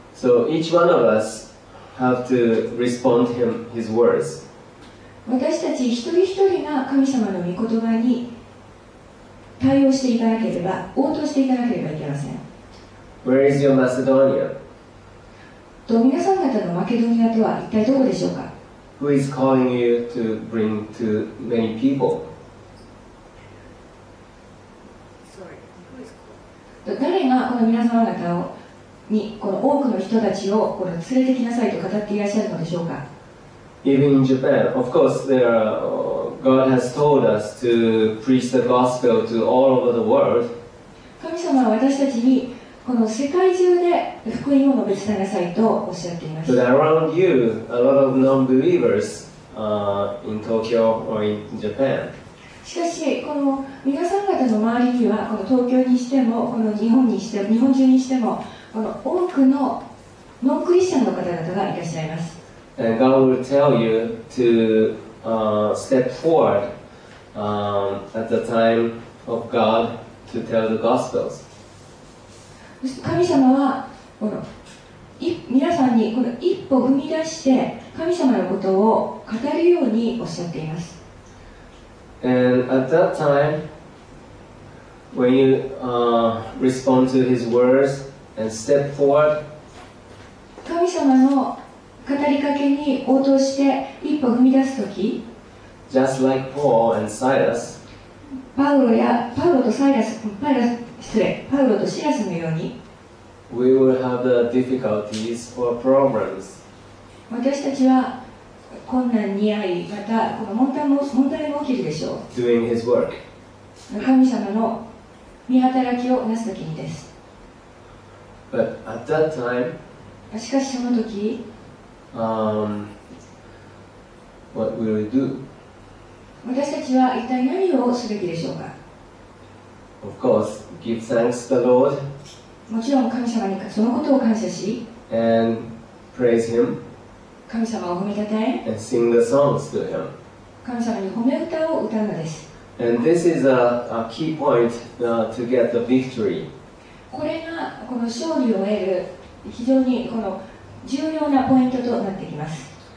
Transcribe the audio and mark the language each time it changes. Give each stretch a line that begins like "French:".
English: So each one of us. Have to respond him his words.
Japanese: 私たち一人一人が神様の御言葉に対応していかなければ、応答していかなければいけません。
English: Where is your Macedonia?
Japanese: と皆さん方のマケドニアとは一体どこでしょうか?
English: Who is calling you to bring to many people? Sorry, who is calling?
Japanese: 誰がこの皆様方をにこの多くの人たちをこの連れてきなさいと語っていらっしゃるのでしょうか。
English: Even in Japan, of course, there are, God has told us to preach the gospel to all over the world.
Japanese: 神様は私たちにこの世界中で福音を述べ伝えなさいとおっしゃっています。
English: But around you, a lot of non-believers, in Tokyo or in Japan.
Japanese: しかし、この皆さん方の周りには、この東京にしても、この日本にしても、日本中にしても、この多くのノンクリスチャンの方々がいらっしゃいます。
English: And God will tell you to step forward at the time of God to tell the gospels.
Japanese: 神様はこの皆さんにこの一歩踏み出して、神様のことを語るようにおっしゃっています。
English: And at that time, when you respond to His words and step forward,
Japanese: 神様の語りかけに応答して一歩踏み出すとき、
English: just like Paul and Silas,
Japanese: パウロとシラスのように、
English: we will have the difficulties or problems.
Japanese: 私たちは困難に遭い、またこの問題も起きるでしょう。
English: Doing his work.
Japanese: 神様の見働きをなすときにです。
English: But at that time,
Japanese: しかしその時、
English: What will we do?
Japanese: 私たちは一体何をすべきでしょうか?
English: Of course, give thanks to the Lord.
Japanese: もちろん神様にそのことを感謝し
English: And praise him.
Japanese: 神様を褒めたたえ
English: And sing the songs to him.
Japanese: 神様に褒め歌を歌うのです。
English: And this is a key point to get the victory.
Japanese: これがこの勝利を得る非常にこの重要なポイントとなってきます。